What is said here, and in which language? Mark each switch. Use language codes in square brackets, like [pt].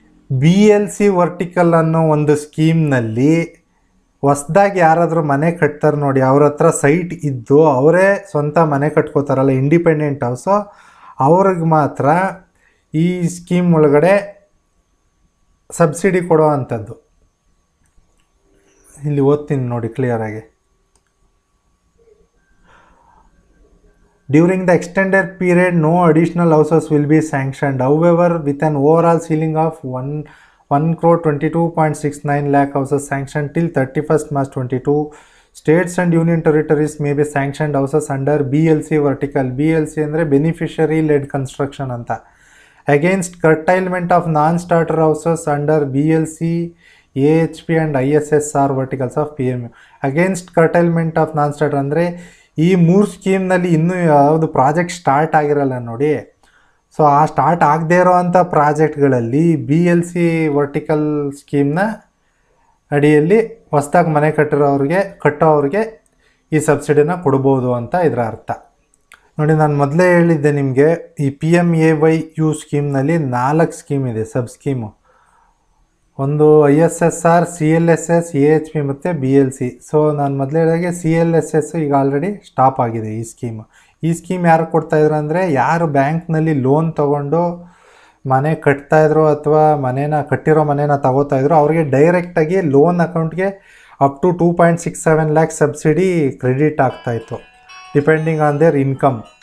[kn] BLC vertical ಅನ್ನೋ ಒಂದು ಸ್ಕೀಮ್ನಲ್ಲಿ ಹೊಸದಾಗಿ ಯಾರಾದರೂ ಮನೆ ಕಟ್ತಾರೆ ನೋಡಿ, ಅವ್ರ ಹತ್ರ ಸೈಟ್ ಇದ್ದು ಅವರೇ ಸ್ವಂತ ಮನೆ ಕಟ್ಕೋತಾರಲ್ಲ, ಇಂಡಿಪೆಂಡೆಂಟ್ ಹೌಸು, ಅವ್ರಿಗೆ ಮಾತ್ರ ಈ ಸ್ಕೀಮ್ ಒಳಗಡೆ ಸಬ್ಸಿಡಿ ಕೊಡೋ ಅಂಥದ್ದು. ಇಲ್ಲಿ ಓದ್ತೀನಿ ನೋಡಿ ಕ್ಲಿಯರಾಗಿ. [en] During the extended period no additional houses will be sanctioned, however with an overall ceiling of 1,22.69 lakh houses sanctioned till 31st March 2022. States and Union Territories may be sanctioned houses under BLC vertical. BLC andre beneficiary led construction anta. Against curtailment of non-starter houses under BLC, AHP and ISSR verticals of PMAY. Against curtailment of non-starter [kn] andre ee moor scheme nalli innu yavudu project start agiralla nodi. So aa start agde iruvanta project galalli BLC vertical scheme na ಅಡಿಯಲ್ಲಿ ಹೊಸದಾಗಿ ಮನೆ ಕಟ್ಟಿರೋರಿಗೆ ಕಟ್ಟೋರಿಗೆ ಈ ಸಬ್ಸಿಡಿನ ಕೊಡ್ಬೋದು ಅಂತ ಇದರ ಅರ್ಥ ನೋಡಿ. ನಾನು ಮೊದಲೇ ಹೇಳಿದ್ದೆ ನಿಮಗೆ ಈ P M A why you ಸ್ಕೀಮ್ನಲ್ಲಿ 4 scheme ಇದೆ, ಸಬ್ ಸ್ಕೀಮು. ಒಂದು ISSR, CLSS, AHP ಮತ್ತು BLC. ಸೊ ನಾನು ಮೊದಲೇ ಹೇಳಿದಾಗೆ CLSS ಈಗ ಆಲ್ರೆಡಿ ಸ್ಟಾಪ್ ಆಗಿದೆ ಈ ಸ್ಕೀಮು. ಈ ಸ್ಕೀಮ್ ಯಾರು ಕೊಡ್ತಾಯಿದ್ರು ಅಂದರೆ, ಯಾರು ಬ್ಯಾಂಕ್ನಲ್ಲಿ ಲೋನ್ ತೊಗೊಂಡು ಮನೆ ಕಟ್ತಾಯಿದ್ರು ಅಥವಾ ಮನೇನ ಕಟ್ಟಿರೋ ಮನೇನ ತಗೋತಾಯಿದ್ರು ಅವ್ರಿಗೆ ಡೈರೆಕ್ಟಾಗಿ ಲೋನ್ ಅಕೌಂಟ್ಗೆ up to 2.67 lakh subsidy credit ಆಗ್ತಾಯಿತ್ತು, [en] Depending on their income.